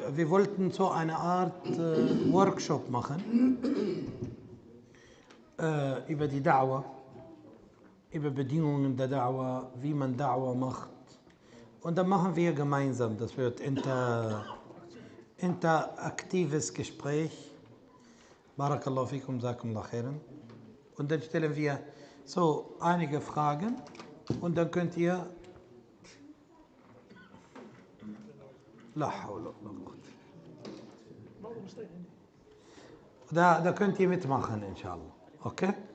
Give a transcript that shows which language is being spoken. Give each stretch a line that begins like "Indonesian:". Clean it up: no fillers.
German: Wir wollten so eine Art Workshop machen über die Dawa, über Bedingungen der Dawa, wie man Dawa macht. Und dann machen wir gemeinsam, das wird interaktives Gespräch.
Arabic: بارك الله فيكم جزاكم الله خير.
German: Und dann stellen wir so einige Fragen. Und dann könnt ihr. Da könnt ihr mitmachen, inshallah. Okay?